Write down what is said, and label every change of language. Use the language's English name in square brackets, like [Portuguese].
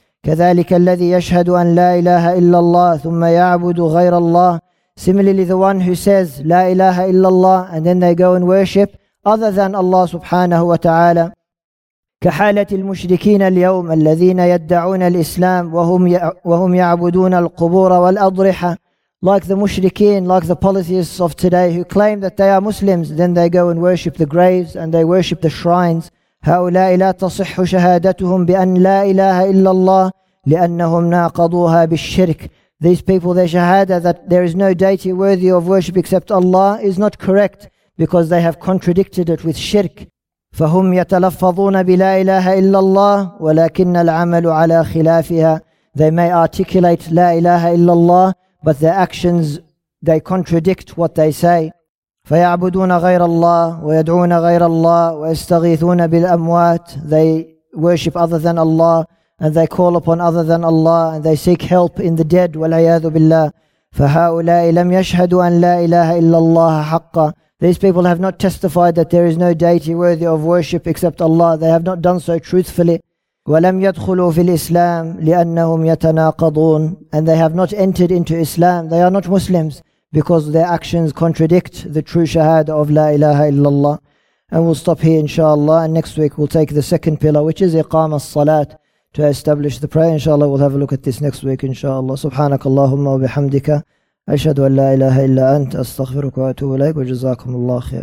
[Arabic] كذلك الذي يشهد أن لا إله إلا الله ثم يعبد غير الله. [English] Similarly, the one who says [Arabic] لا إله إلا الله [English] and then they go and worship other than Allah سبحانه وتعالى. [Arabic] كحالة المشركين اليوم الذين يدعون الإسلام وهم يعبدون القبور والأضرحة. [English] Like the mushrikeen, like the polytheists of today who claim that they are Muslims, then they go and worship the graves and they worship the shrines. [Arabic] هؤلاء لا تصح شهادتهم بأن لا إله إلا الله لأنهم ناقضوها بالشرك. [English] These people, their shahada that there is no deity worthy of worship except Allah is not correct because they have contradicted it with shirk. [Arabic] فهم يتلفظون بلا إله إلا الله ولكن العمل على خلافها. [English] They may articulate [Arabic] لا إله إلا الله, [English] but their actions, they contradict what they say. [Arabic] فيعبدون غير الله ويدعون غير الله ويستغيثون بالأموات. [English] They worship other than Allah and they call upon other than Allah and they seek help in the dead. [Arabic] والعياذ بالله. فهؤلاء لم يشهدوا أن لا إله إلا الله حقا. [English] These people have not testified that there is no deity worthy of worship except Allah. They have not done so truthfully. [Arabic] وَلَمْ يَدْخُلُوا فِي الْإِسْلَامِ لِأَنَّهُمْ يَتَنَاقَضُونَ [English] And they have not entered into Islam. They are not Muslims because their actions contradict the true shahada of La ilaha illallah. And we'll stop here inshallah. And next week we'll take the second pillar, which is إقامة الصلاة, to establish the prayer. Inshallah, we'll have a look at this next week inshallah. [Arabic] سبحانك اللهم وبحمدك. أشهد أن لا إله إلا أنت أستغفرك وأتوب إليك وجزاكم الله خير.